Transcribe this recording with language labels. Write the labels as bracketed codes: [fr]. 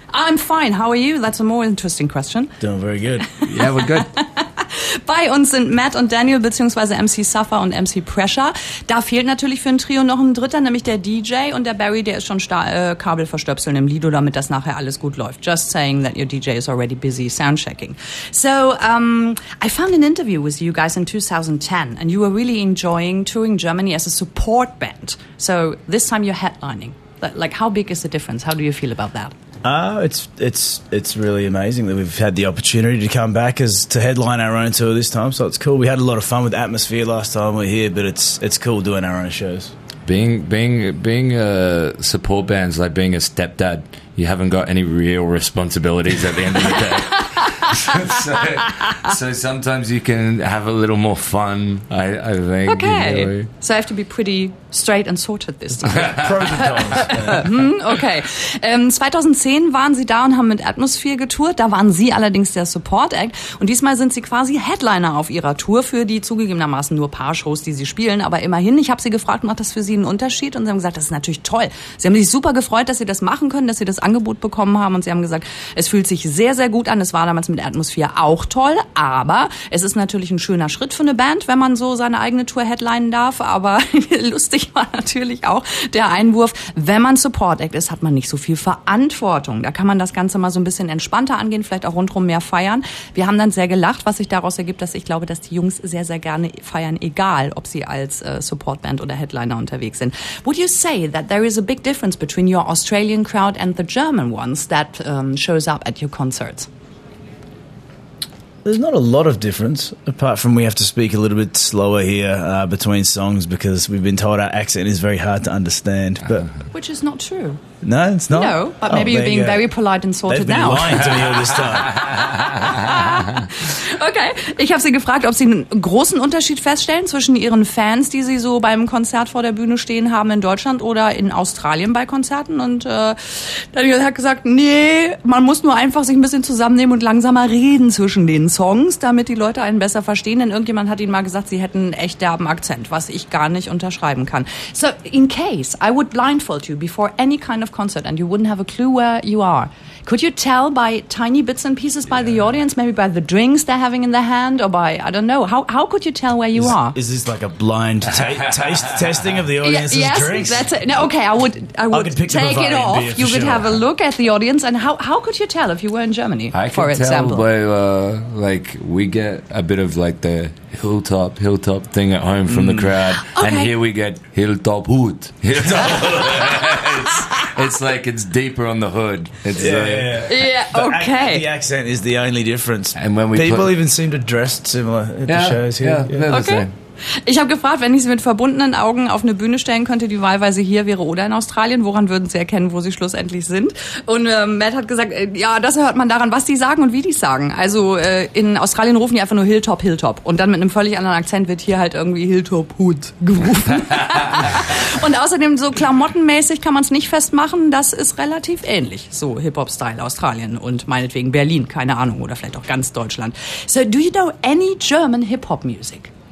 [en] I'm fine. How are you? That's a more interesting question. Doing very good. Yeah, we're good. [de] Bei uns sind Matt und Daniel, beziehungsweise MC Suffer und MC Pressure. Da fehlt natürlich für ein Trio noch ein Dritter, nämlich der DJ. Und der Barry, der ist schon Kabel verstöpseln im Lido, damit das nachher alles gut läuft. [en] Just saying that your DJ is already busy soundchecking. So, I found an interview with you guys in 2010, and you were really enjoying touring Germany as a support band. So, this time you're headlining. Like, how big is the difference? How do you feel about that? It's really amazing that we've had the opportunity to come back as to headline our own tour this time. So it's cool. We had a lot of fun with Atmosphere last time we were here, but it's cool doing our own shows. Being a support band is like being a stepdad. You haven't got any real responsibilities at the end of the day. so sometimes you can have a little more fun, I think. Okay, you know. So I have to be pretty straight and sorted this time. Pros and cons. [de] Okay, 2010 waren Sie da und haben mit Atmosphere getourt. Da waren Sie allerdings der Support Act. Und diesmal sind Sie quasi Headliner auf Ihrer Tour für die zugegebenermaßen nur paar Shows, die Sie spielen. Aber immerhin, ich habe Sie gefragt, macht das für Sie einen Unterschied? Und Sie haben gesagt, das ist natürlich toll. Sie haben sich super gefreut, dass Sie das machen können, dass Sie das Angebot bekommen haben. Und Sie haben gesagt, es fühlt sich sehr, sehr gut an. Es war damals mit Atmosphere auch toll, aber es ist natürlich ein schöner Schritt für eine Band, wenn man so seine eigene Tour headlinen darf, aber lustig war natürlich auch der Einwurf, wenn man Support Act ist, hat man nicht so viel Verantwortung. Da kann man das Ganze mal so ein bisschen entspannter angehen, vielleicht auch rundherum mehr feiern. Wir haben dann sehr gelacht, was sich daraus ergibt, dass ich glaube, dass die Jungs sehr, sehr gerne feiern, egal ob sie als Support Band oder Headliner unterwegs sind. [en] Would you say that there is a big difference between your Australian crowd and the German ones that shows up at your concerts? There's not a lot of difference, apart from we have to speak a little bit slower here between songs because we've been told our accent is very hard to understand. But which is not true. No, it's not. No, but maybe you're being very polite and sorted now. They've been lying to me all this time. [de] Okay, ich habe Sie gefragt, ob Sie einen großen Unterschied feststellen zwischen Ihren Fans, die Sie so beim Konzert vor der Bühne stehen haben in Deutschland oder in Australien bei Konzerten. Und Daniel hat gesagt, nee, man muss nur einfach sich ein bisschen zusammennehmen und langsamer reden zwischen den Songs, damit die Leute einen besser verstehen. Denn irgendjemand hat Ihnen mal gesagt, Sie hätten einen echt derben Akzent, was ich gar nicht unterschreiben kann. [en] So, in case I would blindfold you before any kind of concert and you wouldn't have a clue where you are, could you tell by tiny bits and pieces by the audience, maybe by the drinks they're having in their hand, or by, I don't know, how could you tell where you are? Is this like a blind taste testing of the audience's drinks? Yes, that's it. No, okay, I would take it off. You would have a look at the audience, and how could you tell if you were in Germany, for example? I can tell by, like, we get a bit of, like, the hilltop thing at home from the crowd, and here we get hilltop hood. It's like it's deeper on the hood. It's okay. The accent is the only difference. And when people even seem to dress similar at the shows here. Yeah. Okay. [de] Ich habe gefragt, wenn ich Sie mit verbundenen Augen auf eine Bühne stellen könnte, die wahlweise hier wäre oder in Australien, woran würden Sie erkennen, wo Sie schlussendlich sind? Und Matt hat gesagt, ja, das hört man daran, was die sagen und wie die sagen. Also in Australien rufen die einfach nur Hilltop, Hilltop. Und dann mit einem völlig anderen Akzent wird hier halt irgendwie Hilltop, Hut gerufen. Und außerdem so klamottenmäßig kann man es nicht festmachen. Das ist relativ ähnlich, so Hip-Hop-Style Australien und meinetwegen Berlin, keine Ahnung, oder vielleicht auch ganz Deutschland. [en] So, do you know any German Hip-Hop-Music?